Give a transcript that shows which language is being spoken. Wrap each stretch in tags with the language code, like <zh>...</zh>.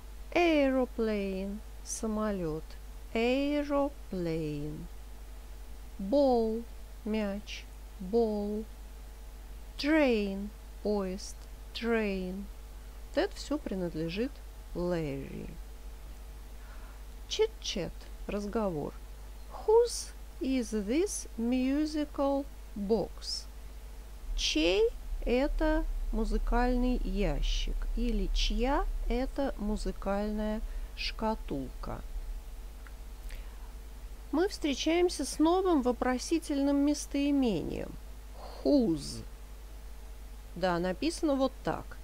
<en>Aeroplane.</en> <ru>Самолет.</ru> <en>Aeroplane. Ball.</en> <ru>Мяч.</ru> <en>Ball. Train.</en> <ru>Поезд.</ru> <en>Train.</en> <ru>Вот это все принадлежит Larry.</ru> <en>Chit-chat.</en> <ru>Разговор.</ru> <en>Whose is this musical box?</en> <ru>Чей это музыкальный ящик? Или чья это музыкальная шкатулка? Мы встречаемся с новым вопросительным местоимением. Whose. Да, написано вот так.</ru>